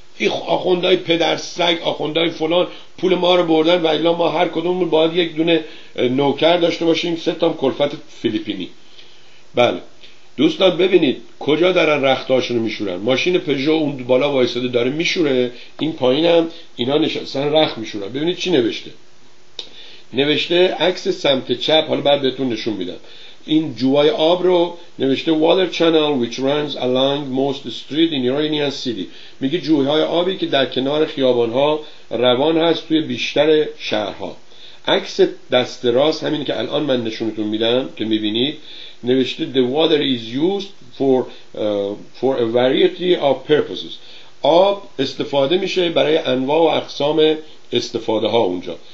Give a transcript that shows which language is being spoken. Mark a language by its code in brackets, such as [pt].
[fa] این آخوندای پدر سگ، آخوندای فلان پول ما رو بردن و الا ما هر کدوممون باید یک دونه نوکر داشته باشیم، سه تام کلفت فیلیپینی. بله دوستان ببینید کجا دارن رختاشونو میشورن. ماشین پژو اون بالا وایساده داره میشوره، این پایینم اینا نشستن رخت میشورن. ببینید چی نوشته. نوشته عکس سمت چپ، حالا بعد بهتون نشون میدم. این جوای آب رو نوشته [en] water channel which runs along most street in Iranian city. [fa] میگه جوهای آبی که در کنار خیابانها روان هست توی بیشتر شهرها. عکس دست راست همین که الان من نشونتون میدم که میبینید نوشته [en] the water is used for a variety of purposes. [fa] آب استفاده میشه برای انواع و اقسام استفاده ها اونجا.